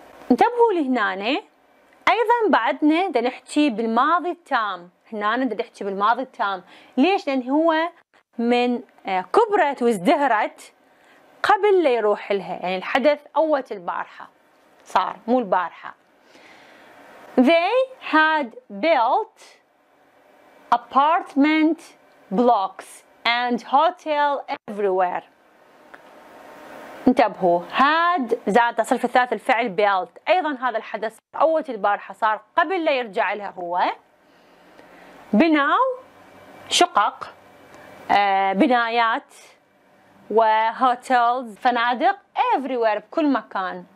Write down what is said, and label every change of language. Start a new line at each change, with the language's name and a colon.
Arabic: انتبهوا لهنا أيضا بعدنا ده نحكي بالماضي التام. هنا ده نحكي بالماضي التام. ليش؟ لأن هو من كبرت وازدهرت قبل لا يروح لها. يعني الحدث أول البارحة صار مو البارحة.
English: They had built apartment blocks and hotel everywhere.
Arabic: انتبهوا had زاد صرف الثالث الفعل built. أيضا هذا الحدث أول البارحة صار قبل لا يرجع لها هو. بناوا شقق بنايات وهوتيلز فنادق everywhere بكل مكان.